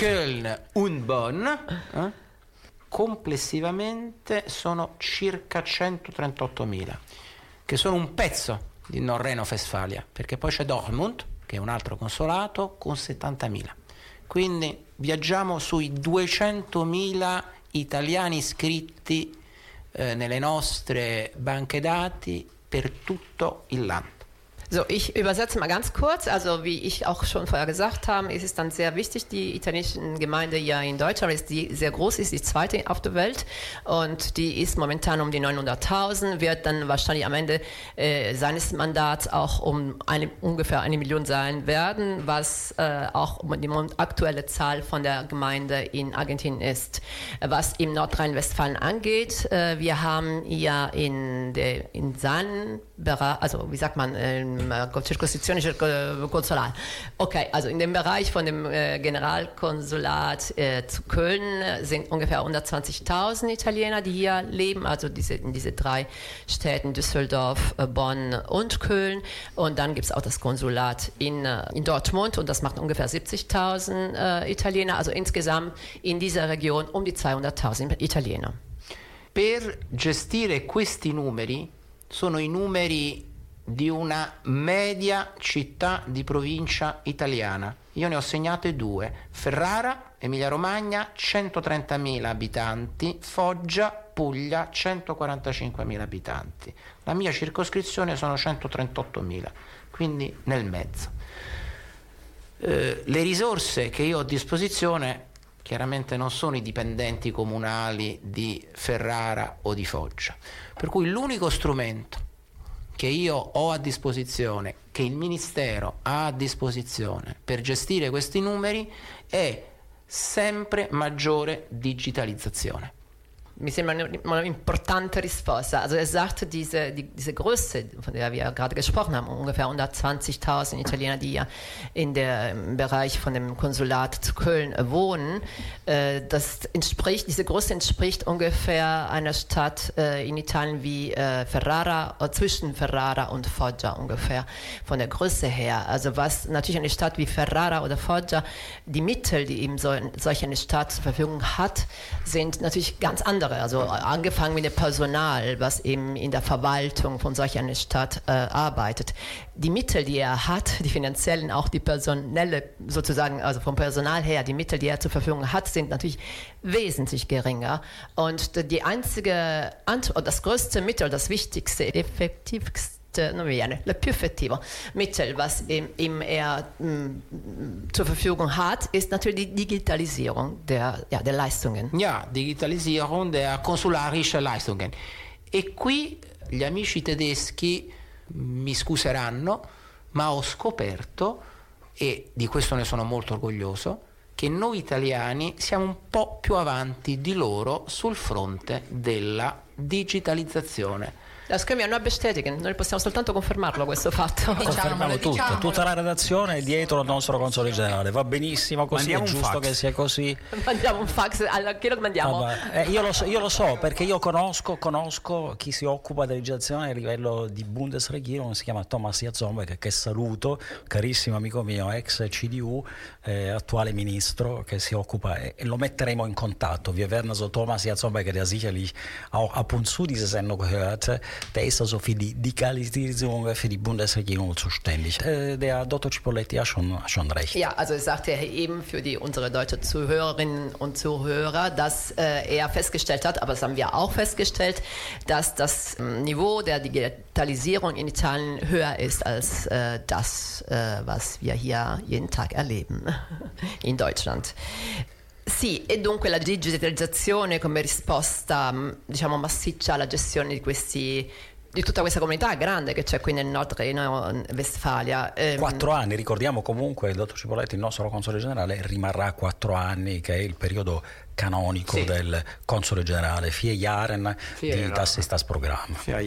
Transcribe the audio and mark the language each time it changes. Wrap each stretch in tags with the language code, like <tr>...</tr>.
<it>Köln und Bonn, complessivamente sono circa 138.000, che sono un pezzo di Nordrhein-Westfalia, perché poi c'è Dortmund, che è un altro consolato, con 70.000. Quindi viaggiamo sui 200.000 italiani iscritti nelle nostre banche dati per tutto il land.</it> <de>So, ich übersetze mal ganz kurz. Also wie ich auch schon vorher gesagt habe, ist es dann sehr wichtig, die italienische Gemeinde ja in Deutschland ist, die sehr groß ist, die zweite auf der Welt. Und die ist momentan um die 900.000, wird dann wahrscheinlich am Ende seines Mandats auch um ungefähr 1 Million sein werden, was auch die aktuelle Zahl von der Gemeinde in Argentinien ist. Was im Nordrhein-Westfalen angeht, wir haben ja in seinen Bereich, also wie sagt man, Konsulat. Okay, also in dem Bereich von dem Generalkonsulat zu Köln sind ungefähr 120.000 Italiener, die hier leben, also in diese drei Städten, Düsseldorf, Bonn und Köln. Und dann gibt es auch das Konsulat in Dortmund und das macht ungefähr 70.000 Italiener, also insgesamt in dieser Region um die 200.000 Italiener.</de> <it>Per gestire questi numeri sono i numeri di una media città di provincia italiana. Io ne ho segnate due. Ferrara, Emilia-Romagna, 130.000 abitanti. Foggia, Puglia, 145.000 abitanti. La mia circoscrizione sono 138.000, quindi nel mezzo. Le risorse che io ho a disposizione chiaramente non sono i dipendenti comunali di Ferrara o di Foggia. Per cui l'unico strumento che io ho a disposizione, che il Ministero ha a disposizione per gestire questi numeri, è sempre maggiore digitalizzazione. Mi sembra un'importante risposta.</it> <de>Also er sagt, diese Größe, von der wir gerade gesprochen haben, ungefähr 120.000 Italiener, die ja in dem Bereich von dem Konsulat zu Köln wohnen, das entspricht, diese Größe entspricht ungefähr einer Stadt in Italien wie Ferrara, oder zwischen Ferrara und Foggia ungefähr, von der Größe her. Also was natürlich eine Stadt wie Ferrara oder Foggia, die Mittel, die eben solch eine Stadt zur Verfügung hat, sind natürlich ganz andere. Also angefangen mit dem Personal, was eben in der Verwaltung von solch einer Stadt arbeitet. Die Mittel, die er hat, die finanziellen, auch die personelle, sozusagen, also vom Personal her, die Mittel, die er zur Verfügung hat, sind natürlich wesentlich geringer. Und die einzige Antwort, das größte Mittel, das wichtigste, effektivste,</de> <it>le più effettivo</it> <de>Mittel, was ihm er zur Verfügung hat, ist natürlich die Digitalisierung der Leistungen. Ja, Digitalisierung der consularischen Leistungen.</de> <it>E qui gli amici tedeschi mi scuseranno, ma ho scoperto, e di questo ne sono molto orgoglioso, che noi italiani siamo un po' più avanti di loro sul fronte della digitalizzazione.</it> <de>Das können wir nur bestätigen,</de> <it>noi possiamo soltanto confermarlo questo fatto. Confermiamo tutto, tutta la redazione è dietro il nostro console generale, va benissimo così, mandiamo è giusto che sia così. Mandiamo un fax, allora chi lo mandiamo? Vabbè, io lo so perché io conosco chi si occupa della digitalizzazione a livello di Bundesregierung, si chiama Thomas Jatzombe, che saluto, carissimo amico mio, ex CDU, attuale ministro, che si occupa e lo metteremo in contatto.</it> <de>Wir werden also Thomas Jatzombe,</de> <it>che ha</it> <de>sicherlich auch ab und zu diese Sendung gehört. Der ist also für die Digitalisierung für die Bundesregierung zuständig. Der Dr. Cipolletti hat schon recht. Ja, also sagt er eben für unsere deutsche Zuhörerinnen und Zuhörer, dass er festgestellt hat, aber das haben wir auch festgestellt, dass das Niveau der Digitalisierung in Italien höher ist als das, was wir hier jeden Tag erleben in Deutschland.</de> <it>Sì, e dunque la digitalizzazione come risposta, diciamo, massiccia alla gestione di tutta questa comunità grande che c'è qui nel Nord Reno-Vestfalia. 4 anni, ricordiamo comunque, il dottor Cipolletti, il nostro console generale, rimarrà 4 anni, che è il periodo canonico, sì, del console generale,</it> <de>vier Jahren</de> <it>di Tassistas Programma.</it>